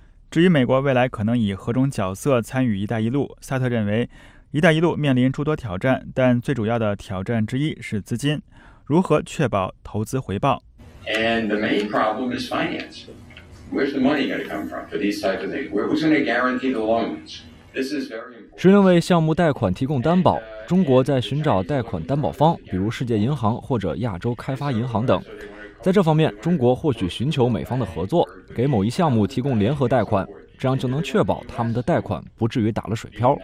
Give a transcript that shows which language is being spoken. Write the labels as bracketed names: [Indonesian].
[Chinese] 至于美国未来可能以何种角色参与“一带一路”，萨特认为，“一带一路”面临诸多挑战，但最主要的挑战之一是资金，如何确保投资回报。 [English] And the main problem is finance. Where's the money going to come from for these types of things? Who's going to guarantee the loans? This is very important. [Chinese] 谁能为项目贷款提供担保？中国在寻找贷款担保方，比如世界银行或者亚洲开发银行等。在这方面，中国或许寻求美方的合作，给某一项目提供联合贷款，这样就能确保他们的贷款不至于打了水漂。